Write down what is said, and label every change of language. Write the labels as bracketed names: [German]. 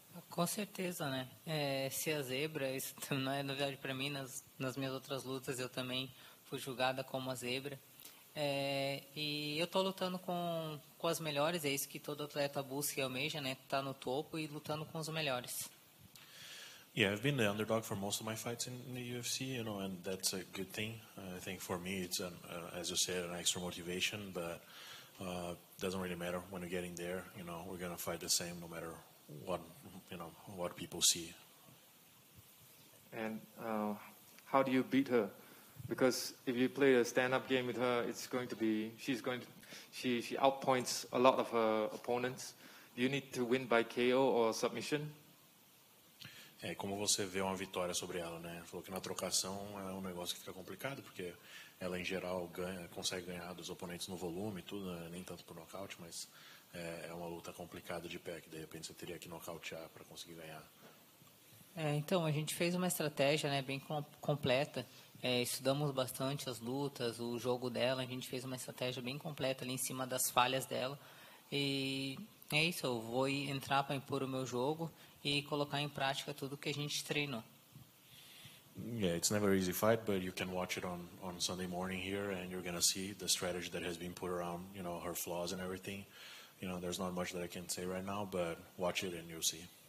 [Portuguese] Com certeza, né? Ser a zebra, isso não é novidade para mim. Nas minhas outras lutas, eu também fui julgada como a zebra. E eu estou lutando com as melhores, é isso que todo atleta busca e almeja, né? Tá no topo e lutando com os melhores. [English] Yeah, I've been the underdog for most of my fights in the UFC, you know, and that's a good thing. I think for me, it's, as you said, an extra motivation, but doesn't really matter when you're getting there. You know, we're going to fight the same no matter what, you know, what people see. And how do you beat her? Because if you play a stand-up game with her, it's going to be, she outpoints a lot of her opponents. Do you need to win by KO or submission? [Portuguese] É, como você vê uma vitória sobre ela, né? Falou que na trocação é um negócio que fica complicado, porque ela, em geral, ganha, consegue ganhar dos oponentes no volume e tudo, né? Nem tanto por nocaute, mas é uma luta complicada de pé, que de repente você teria que nocautear para conseguir ganhar. Então, a gente fez uma estratégia, né, bem completa. Estudamos bastante as lutas, o jogo dela, a gente fez uma estratégia bem completa ali em cima das falhas dela. E é isso, eu vou entrar para impor o meu jogo e colocar em prática tudo que a gente treinou. [English] Yeah, it's never easy fight, but you can watch it on Sunday morning here, and you're gonna see the strategy that has been put around, you know, her flaws and everything. You know, there's not much that I can say right now, but watch it and you'll see.